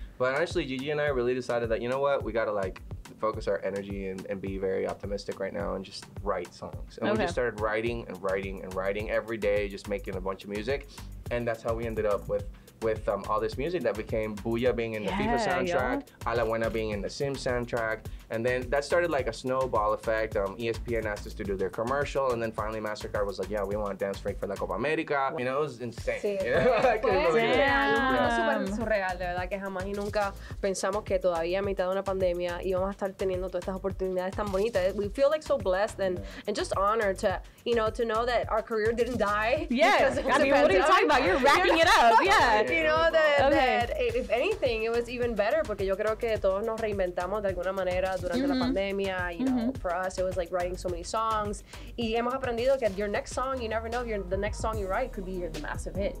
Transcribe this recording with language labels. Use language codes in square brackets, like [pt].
[en] But honestly, Gigi and I really decided that, you know what? We got to like focus our energy and be very optimistic right now and just write songs. And we just started writing and writing and writing every day, just making a bunch of music. And that's how we ended up with all this music that became Booyah being in the FIFA soundtrack, A La Buena being in the Sims soundtrack. And then that started like a snowball effect. ESPN asked us to do their commercial, and then finally MasterCard was like, yeah, we want Dance Freak for la Copa America. Wow. You know, it was insane. Sí. [es] Súper surreal, de verdad, que jamás y nunca pensamos que todavía a mitad de una pandemia íbamos a estar teniendo todas estas oportunidades tan bonitas. [en] We feel like so blessed and just honored to, you know, to know that our career didn't die. Yes, I mean, what are you talking about? You're racking it up, yeah. You know, that if anything, it was even better, [es] porque yo creo que todos nos reinventamos de alguna manera durante la pandemia, [en] for us it was like writing so many songs, [es] y hemos aprendido que [en] your next song, you never know, the next song you write could be the massive hit.